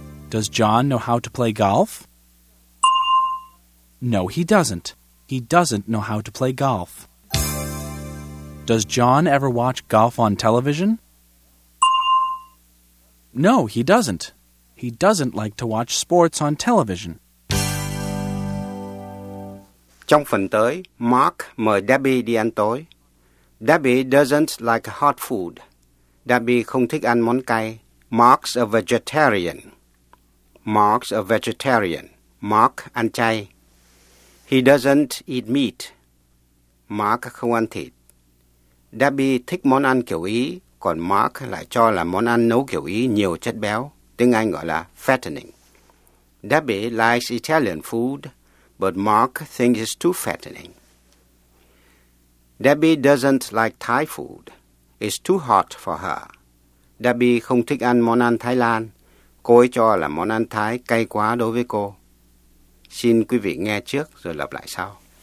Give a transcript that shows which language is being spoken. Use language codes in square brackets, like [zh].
[en] Does John know how to play golf? No, he doesn't. He doesn't know how to play golf. Does John ever watch golf on television? No, he doesn't. He doesn't like to watch sports on television. [vi] Trong phần tới, Mark mời Debbie đi ăn tối. [en] Debbie doesn't like hot food. [vi] Debbie không thích ăn món cay. [en] Mark's a vegetarian. Mark's a vegetarian. [vi] Mark ăn chay. [en] He doesn't eat meat. [vi] Mark không ăn thịt. Debbie thích món ăn kiểu Ý, còn Mark lại cho là món ăn nấu kiểu Ý nhiều chất béo, tiếng Anh gọi là fattening. [en] Debbie likes Italian food, but Mark thinks it's too fattening. Debbie doesn't like Thai food. It's too hot for her. [vi] Debbie không thích ăn món ăn Thái Lan. Cô ấy cho là món ăn Thái cay quá đối với cô. Xin quý vị nghe trước rồi lặp lại sau.